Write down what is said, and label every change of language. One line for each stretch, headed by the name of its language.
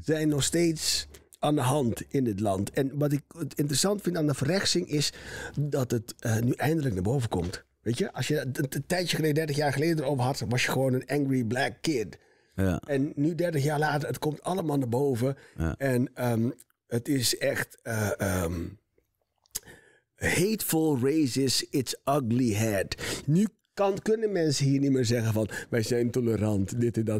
Dutch: zijn nog steeds aan de hand in het land. En wat ik interessant vind aan de verrechtsing is... dat het nu eindelijk naar boven komt. Weet je, als je een tijdje geleden, 30 jaar geleden erover had... was je gewoon een
English: angry black kid.
Dutch: Ja. En nu 30 jaar later, het komt allemaal naar boven. Ja. En het is echt...
English: hateful raises its ugly head.
Dutch: Nu kunnen mensen hier niet meer zeggen van... wij zijn tolerant, dit en dat.